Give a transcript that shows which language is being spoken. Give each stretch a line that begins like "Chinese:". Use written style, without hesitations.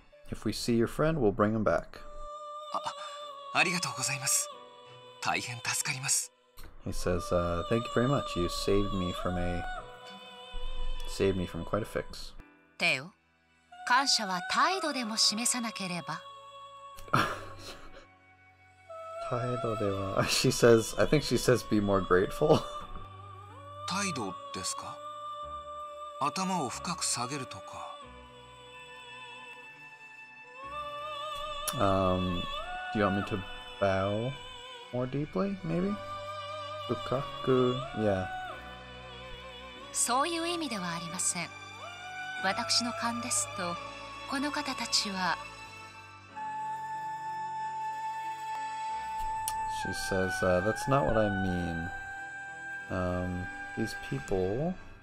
English: If we see your friend, we'll bring him back.
Japanese: ありがとうございます。大変助かります。
English: He says, thank you very much. You saved me from a... saved me from quite a fix.
Japanese: テオ、感謝は態度でも示さなければ。態度では...
English: She says, I think she says be more grateful.
Japanese: 態度ですか？頭を深く下げるとか。
English: Do you want me to bow more deeply, maybe?
Japanese: Bukaku,
English: yeah.
Japanese: そういう意味ではありません。私の勘ですと、この方たちは。
English: She says, that's not what I mean. These people...